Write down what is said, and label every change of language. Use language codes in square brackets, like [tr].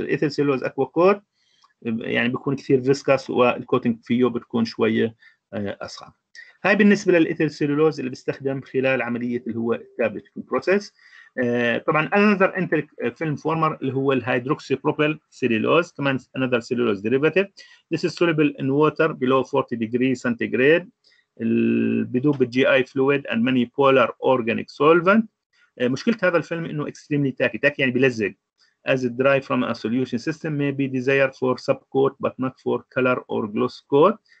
[ar] الايثيل سيلولوز اكوا كوت يعني بيكون كثير فسكس والكوتينج فيه بتكون شويه اصعب. هاي بالنسبه للايثر سيلولوز اللي بيستخدم خلال عمليه اللي هو التابلت بروسيس. طبعا انذر انتر فيلم فورمر اللي هو الهيدروكسي بروبيل سيلولوز، كمان انذر سيلولوز ديريفاتيف. [en] This is soluble in water below 40 degree centigrade. [ar] بدوب بالجي اي فلويد [en] And many polar organic solvent. [ar] مشكله هذا الفيلم انه اكستريملي تاكي، تاكي يعني بيلزق. [en] As it dry from a solution system may be desired for sub coat but not for color or gloss coat.